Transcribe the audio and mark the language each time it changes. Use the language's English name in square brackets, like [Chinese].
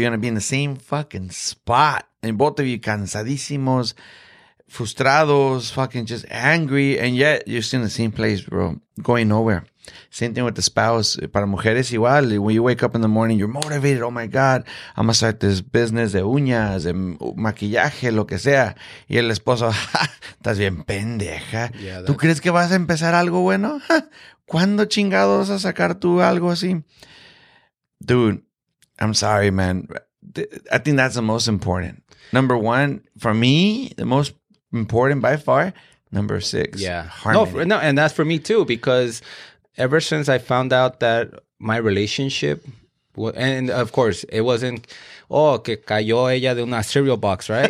[English] You're going to be in the same fucking spot. And both of you cansadísimos, frustrados, fucking just angry. And yet, you're still in the same place, bro. Going nowhere. Same thing with the spouse. Para mujeres igual. When you wake up in the morning, you're motivated. Oh, my God. I'm going to start this business de uñas, de maquillaje, lo que sea. [Spanish] Y el esposo, estás bien pendeja. Yeah, ¿tú crees que vas a empezar algo bueno? ¿Cuándo chingados vas a sacar tú algo así? [English] Dude, I'm sorry, man. I think that's the most important. Number one, for me, the most important by far, number six. Yeah. Harmony. No, and that's for me too, because ever since I found out that my relationship, and of course, it wasn't, oh, que cayó ella de una cereal box, right?